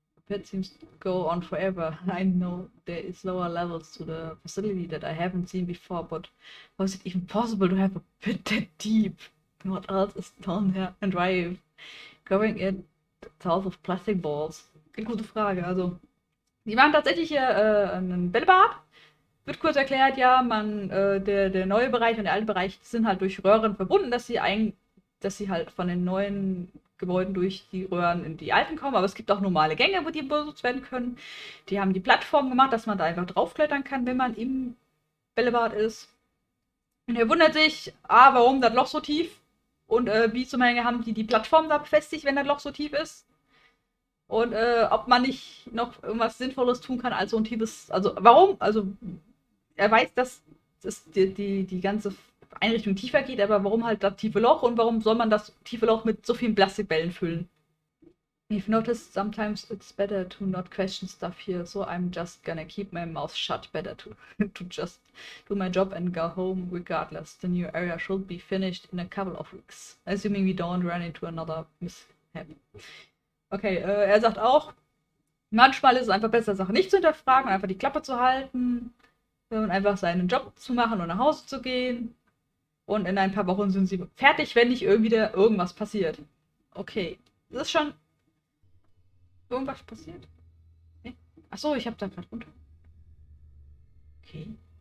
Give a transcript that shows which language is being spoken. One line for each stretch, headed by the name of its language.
English: That seems to go on forever. I know there is lower levels to the facility that I haven't seen before, but was it even possible to have a pit that deep? What else is down there? And why going in south of plastic balls?
German: Gute Frage. Also, die waren tatsächlich hier ein Bällebad. Wird kurz erklärt, ja, der neue Bereich und der alte Bereich sind halt durch Röhren verbunden, dass sie halt von den neuen Gebäuden durch die Röhren in die alten kommen. Aber es gibt auch normale Gänge, wo die benutzt werden können. Die haben die Plattform gemacht, dass man da einfach draufklettern kann, wenn man im Bällebad ist. Und er wundert sich, warum das Loch so tief? Und wie zum Hänge haben die Plattform da befestigt, wenn das Loch so tief ist? Und ob man nicht noch irgendwas Sinnvolles tun kann, als so ein tiefes. Also, warum? Also, er weiß, dass die ganze Einrichtung tiefer geht, aber warum halt das tiefe Loch und warum soll man das tiefe Loch mit so vielen Plastikbällen füllen?
English: You've noticed, sometimes it's better to not question stuff here, so I'm just gonna keep my mouth shut. Better to just do my job and go home regardless. The new area should be finished in a couple of weeks, assuming we don't run into another mishap.
German: Okay, er sagt auch, manchmal ist es einfach besser, Sachen nicht zu hinterfragen und einfach die Klappe zu halten und einfach seinen Job zu machen und nach Hause zu gehen. Und in ein paar Wochen sind sie fertig, wenn nicht irgendwie wieder irgendwas passiert. Okay, das ist schon. Irgendwas passiert? Nee. Achso, ich hab da gerade runter. Okay.